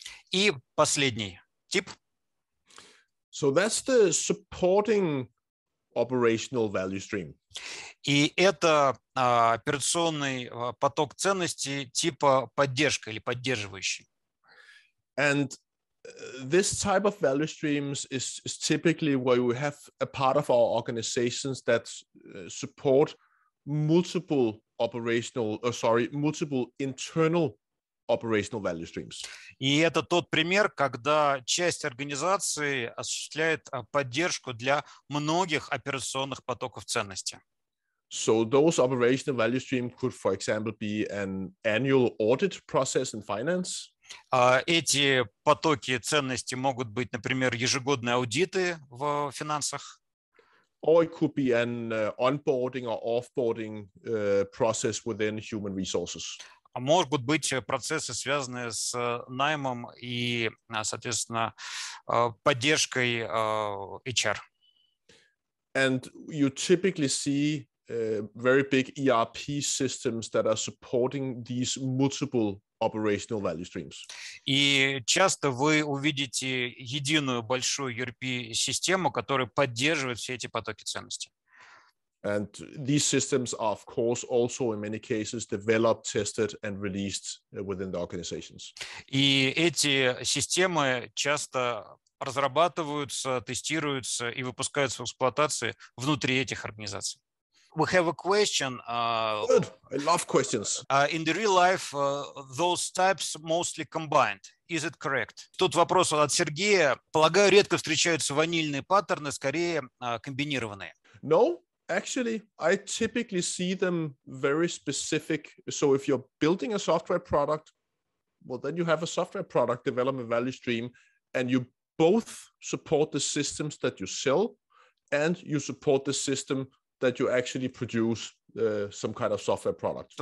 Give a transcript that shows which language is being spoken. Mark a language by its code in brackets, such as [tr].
[ru] И последний тип. [en] So that's the supporting operational value stream. [ru] И это операционный поток ценности типа поддержка или поддерживающий. [en] And this type of value streams is typically where we have a part of our organizations that support multiple internal operational value streams. [ru] И это тот пример, когда часть организации осуществляет поддержку для многих операционных потоков ценности. [en] So those operational value stream could, for example, be an annual audit process in finance. [ru] Эти потоки ценности могут быть, например, ежегодные аудиты в финансах. [en] Or it could be an onboarding or offboarding process within human resources. [ru] А могут быть процессы, связанные с наймом и, соответственно, поддержкой HR. [en] And you typically see very big ERP systems that are supporting these multiple operational value streams. [ru] И часто вы увидите единую большую ERP систему, которая поддерживает все эти потоки ценности. [en] And these systems are, of course, also in many cases developed, tested, and released within the organizations. [ru] И эти системы часто разрабатываются, тестируются и выпускаются в эксплуатации внутри этих организаций. [en] We have a question. Good. I love questions. In the real life, those types mostly combined. Is it correct? [ru] Тут вопрос от Сергея. Полагаю, редко встречаются ванильные паттерны, скорее комбинированные. [en] No, actually, I typically see them very specific. So if you're building a software product, well, then you have a software product development value stream, and you both support the systems that you sell, and you support the system that you actually produce some kind of software product.